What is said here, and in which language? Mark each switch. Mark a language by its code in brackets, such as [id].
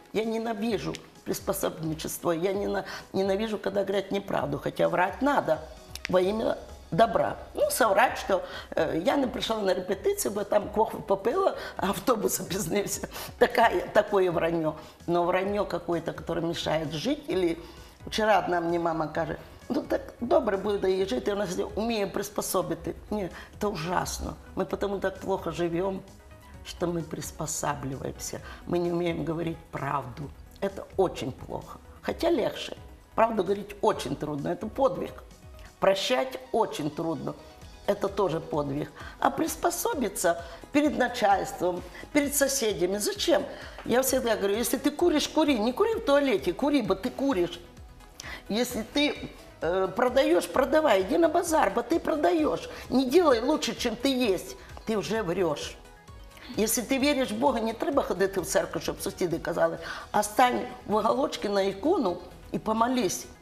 [ru] Я ненавижу приспособничество. Я ненавижу, когда говорят неправду. Хотя врать надо во имя добра. Ну, соврать, что я не пришла на репетицию, бы там кофе попила, а автобус опизнился. Такое вранье. Но вранье какое-то, которое мешает жить. Или вчера одна мне мама говорит, [uk] ну так добре буде її жити, вона вміє приспособити. Ні, це ужасно. Ми тому так плохо живемо, що ми приспосаблюємося. Ми не вміємо говорити правду. Це дуже плохо. Хоча легше. Правду говорити дуже трудно, це подвиг. Прощати дуже трудно, це теж подвиг. А приспособитися перед начальством, перед сусідами, зачем? Я завжди говорю, якщо ти куриш, кури. Не кури в туалеті, кури, бо ти куриш. Якщо ти... [ru] продаешь, продавай, иди на базар, бо ты продаешь. Не делай лучше, чем ты есть, ты уже врешь. Если ты веришь в Бога, [uk] не треба [ru] ходить в церковь, [uk] щоб сусіди казали, [ru] а стань в уголочке на икону и помолись.